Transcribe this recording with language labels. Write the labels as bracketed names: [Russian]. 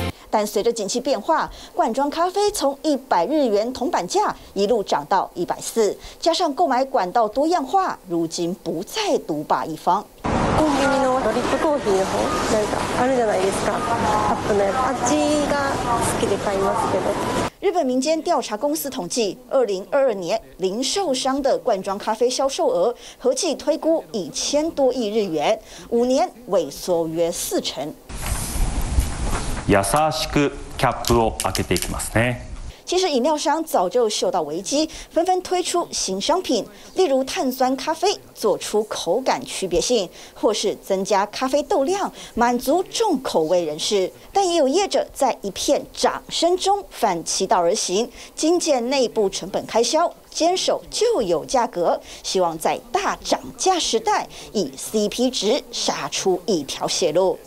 [Chinese] 但随着景气变化，罐装咖啡从100日元铜板价一路涨到140，加上购买管道多样化，如今不再独霸一方。 [Japanese] コンビニのドリップコーヒーの方なんかあるじゃないですか、カップのやつ。あっちが好きで買いますけど。 [Chinese] 日本民间调查公司统计，2022年零售商的罐装咖啡销售额合计推估1000多亿日元，五年萎缩约四成。 [Japanese] 優しくキャップを開けていきますね。 [Chinese] 其实饮料商早就嗅到危机，纷纷推出新商品，例如碳酸咖啡做出口感区别性，或是增加咖啡豆量，满足重口味人士。但也有业者在一片掌声中反其道而行，精简内部成本开销，坚守旧有价格，希望在大涨价时代以 CP 值杀出一条血路。